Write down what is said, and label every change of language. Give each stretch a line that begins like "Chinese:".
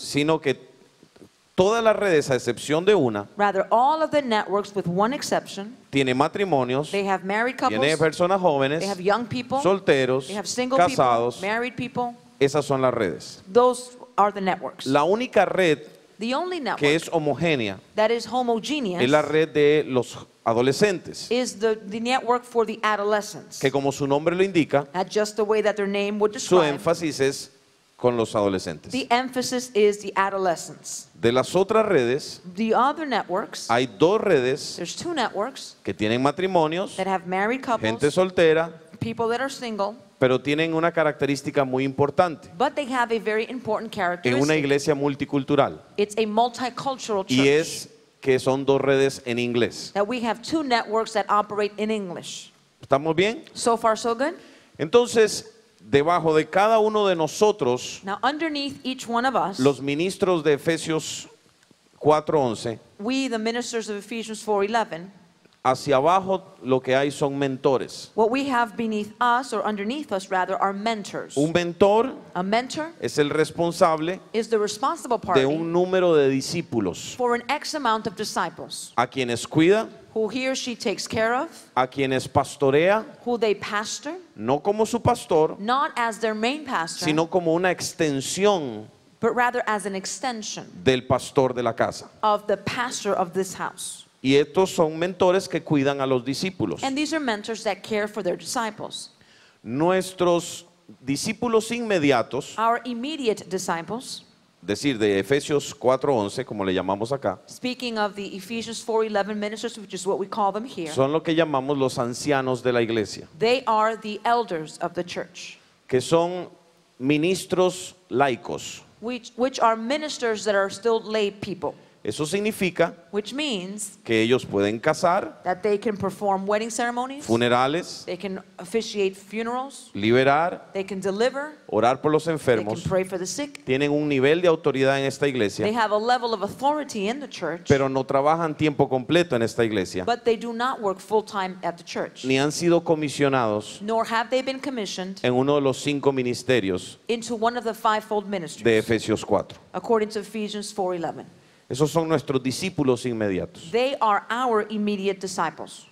Spanish: sino que todas las redes, a excepción de una,
English: rather all of the networks with one exception,
Spanish: tiene matrimonios,
English: they have married couples,
Spanish: tiene personas jóvenes,
English: they have young people,
Spanish: solteros,
English: they have single
Spanish: casados,
English: people, married people.
Spanish: Esas son las redes.
English: Those are the networks.
Spanish: La única red,
English: the only network,
Spanish: que es homogénea,
English: that is homogeneous,
Spanish: es la red de los adolescentes,
English: is the network for the adolescents,
Spanish: que como su nombre lo indica,
English: just the way that their name would describe,
Spanish: su énfasis es con los adolescentes.
English: The emphasis is the adolescents.
Spanish: De las otras redes,
English: the other networks,
Spanish: hay dos redes,
English: there's two networks,
Spanish: que tienen matrimonios,
English: that have married couples,
Spanish: gente soltera,
English: people that are single,
Spanish: pero tienen una característica muy importante.
English: But they have a very important characteristic.
Spanish: En una iglesia multicultural.
English: It's a multicultural church.
Spanish: Y es que son dos redes en inglés.
English: That we have two networks that operate in English.
Spanish: ¿Estamos bien?
English: So far so good.
Spanish: Entonces, debajo de cada uno de nosotros,
English: now, underneath each one of us,
Spanish: los ministros de Efesios 4:11,
English: we, the ministers of Ephesians 4:11,
Spanish: hacia abajo lo que hay son mentores.
English: What we have beneath us, or underneath us rather, are mentors.
Spanish: Un mentor,
English: a mentor,
Spanish: es el responsable,
English: is the responsible party,
Spanish: de un número de discípulos,
English: for an X amount of disciples,
Spanish: a quienes cuida,
English: who he or she takes care of,
Spanish: a quienes pastorea,
English: who they pastor,
Spanish: no como su pastor,
English: not as their main pastor,
Spanish: sino como una extensión,
English: but rather as an extension,
Spanish: del pastor de la casa,
English: of the pastor of this house.
Spanish: Y estos son mentores que cuidan a los discípulos.
English: And these are mentors that care for their disciples.
Spanish: Nuestros discípulos inmediatos,
English: our immediate disciples,
Spanish: decir, de Efesios 4:11, como le llamamos acá,
English: speaking of the Ephesians 4:11 ministers, which is what we call them here,
Spanish: son lo que llamamos los ancianos de la iglesia.
English: They are the elders of the church.
Spanish: Que son ministros laicos.
English: Which are ministers that are still lay people.
Spanish: Eso significa,
English: which means,
Spanish: que ellos pueden casar,
English: that they can perform wedding ceremonies,
Spanish: funerales,
English: they can officiate funerals,
Spanish: liberar,
English: they can deliver,
Spanish: orar por los enfermos,
English: they can pray for the sick,
Spanish: tienen un nivel de autoridad en esta iglesia,
English: they have a level of authority in the church,
Spanish: pero no trabajan tiempo completo en esta iglesia,
English: but they do not work full time at the church,
Spanish: ni han sido comisionados,
English: nor have they been commissioned,
Spanish: en uno de los cinco ministerios,
English: into one of the fivefold ministries,
Spanish: de Efesios 4,
English: according to Ephesians 4:11.
Spanish: Esos son nuestros discípulos inmediatos.
English: They are our immediate disciples.